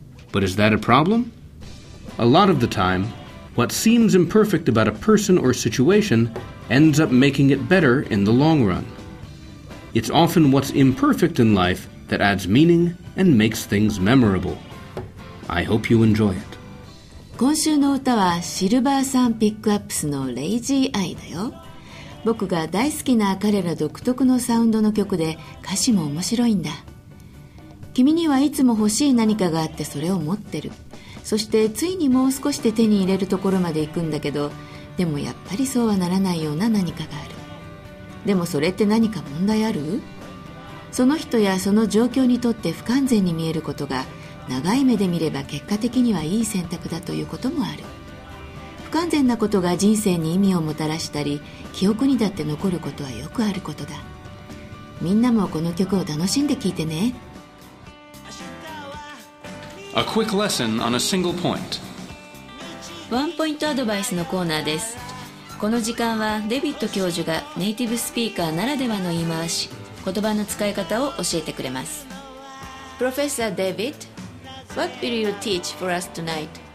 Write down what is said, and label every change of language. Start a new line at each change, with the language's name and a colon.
English: But is that a problem? A lot of the time, what seems imperfect about a person or situation ends up making it better in the long run. It's often what's imperfect in life that adds meaning and makes things memorable. I hope you enjoy it.
Japanese: 今週の歌はシルバーサンピックアップスのレイジーアイだよ。僕が大好きな彼ら独特のサウンドの曲で、歌詞も面白いんだ。君にはいつも欲しい何かがあってそれを持ってる。そしてついにもう少しで手に入れるところまで行くんだけど、でもやっぱりそうはならないような何かがある。でもそれって何か問題ある？その人やその状況にとって不完全に見えることが、長い目で見れば結果的にはいい選択だということもある。不完全なことが人生に意味をもたらしたり、記憶にだって残ることはよくあることだ。みんなもこの曲を楽しんで聴いてね。
English: A quick lesson on a single point.
Japanese: ワンポイントアドバイスのコーナーです。この時間はデビッド教授がネイティブスピーカーならではの言い回し、言葉の使い方を教えてくれます。
English: Professor David, what will you teach for us tonight?